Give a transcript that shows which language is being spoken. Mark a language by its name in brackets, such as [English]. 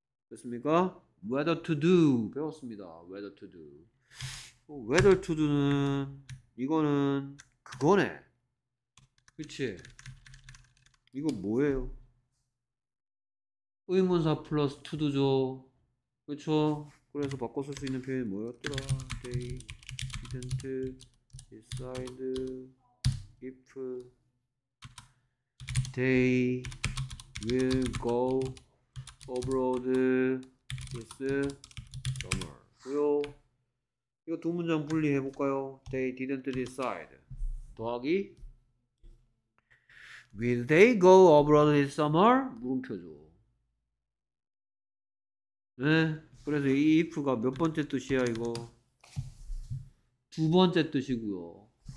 [Korean] 됐습니까? [English] Whether to do [Korean] 배웠습니다. [English] Whether to do. [Korean] Whether to do는 이거는 그거네. 그치? 이거 뭐예요? 의문사 플러스 to do죠. 그쵸? 그래서 바꿔 쓸 수 있는 표현이 뭐였더라? [English] They didn't decide if they will go abroad this summer. [Korean] 요, 이거 두 문장 분리해 볼까요? [English] They didn't decide. [Korean] 더하기 [English] Will they go abroad this summer? [Korean] 물음표죠. 네, 그래서 이 if가 몇 번째 뜻이야 이거? 두 번째 뜻이고요.